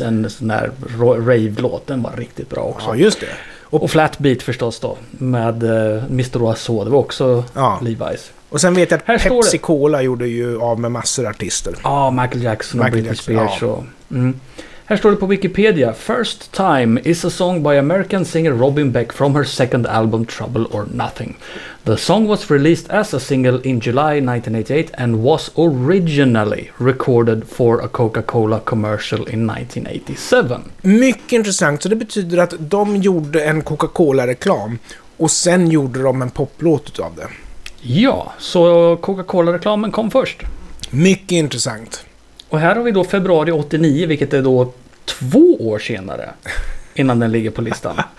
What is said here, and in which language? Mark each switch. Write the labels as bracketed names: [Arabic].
[Swedish] En sån där rave-låt, den var riktigt bra också. Ja, just det. Och Flatbeat förstås då, med Mr. Oiseau, det var också ja. Levi's. Och sen vet jag att Pepsi Cola gjorde ju av med massor artister. Ja, Michael Jackson och Britney Spears. Ja. Här står det på Wikipedia. [English] First Time is a song by American singer Robin Beck from her second album Trouble or Nothing. The song was released as a single in July 1988 and was originally recorded for a Coca-Cola commercial in 1987. [Swedish] Mycket intressant. Så det betyder att de gjorde en Coca-Cola-reklam och sen gjorde de en poplåt av det. Ja, så Coca-Cola-reklamen kom först. Mycket intressant. Och här har vi då februari 89, vilket är då 2 år senare innan den ligger på listan.